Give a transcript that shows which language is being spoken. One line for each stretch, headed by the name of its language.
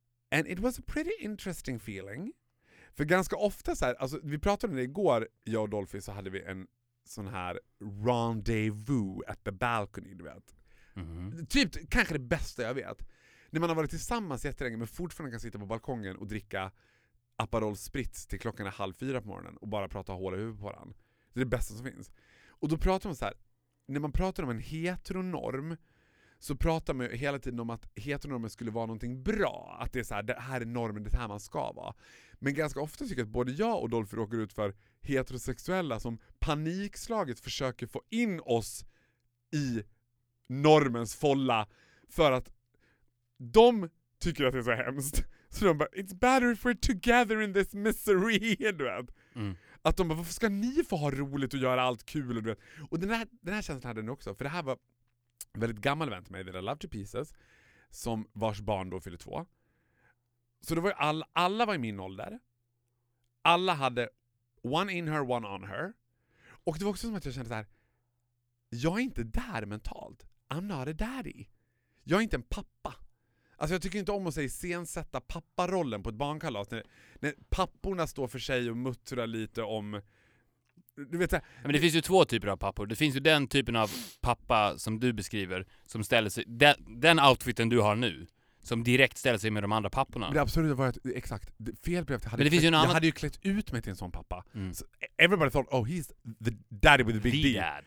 English: And it was a pretty interesting feeling.
Swedish: För ganska ofta så här, alltså, vi pratade om det igår, jag och Dolphy, så hade vi en sån här
English: rendezvous at the balcony,
Swedish: du vet. Mm-hmm. Typ, kanske det bästa jag vet. När man har varit tillsammans jättelänge men fortfarande kan sitta på balkongen och dricka Aperol Spritz till klockan är 3:30 på morgonen och bara prata hål i huvudet på den. Det är det bästa som finns. Och då pratar man så här, när man pratar om en heteronorm så pratar man ju hela tiden om att heteronormen skulle vara någonting bra. Att det är så här, det här är normen, det här man ska vara. Men ganska ofta tycker jag att både jag och Dolph råkar ut för heterosexuella som panikslaget försöker få in oss i normens folla för att de tycker att det är så hemskt. Så de bara,
English: it's better if we're together in this misery,
Swedish: du vet. Mm. Att de bara, varför ska ni få ha roligt och göra allt kul, du vet. Och den här känslan hade den också, för det här var en väldigt gammal vän till mig, The Love to Pieces, som vars barn då fyllde 2. Så det var ju alla var i min ålder.
English: Alla hade one in her, one on her.
Swedish: Och det var också som att jag kände så här, jag är inte där mentalt.
English: I'm not a daddy.
Swedish: Jag är inte en pappa. Alltså jag tycker inte om att säga iscensätta papparollen på ett barnkalas. När papporna står för sig och muttrar lite om... Du vet, men det finns ju två typer av pappor. Det finns ju den typen av pappa som du beskriver som ställer sig... Den outfiten du har nu som direkt ställer sig med de andra papporna. Det absolut var exakt. Fel blev det. Jag hade ju klätt ut mig till en sån pappa. Mm.
English: So everybody thought, oh he's the daddy with the big D.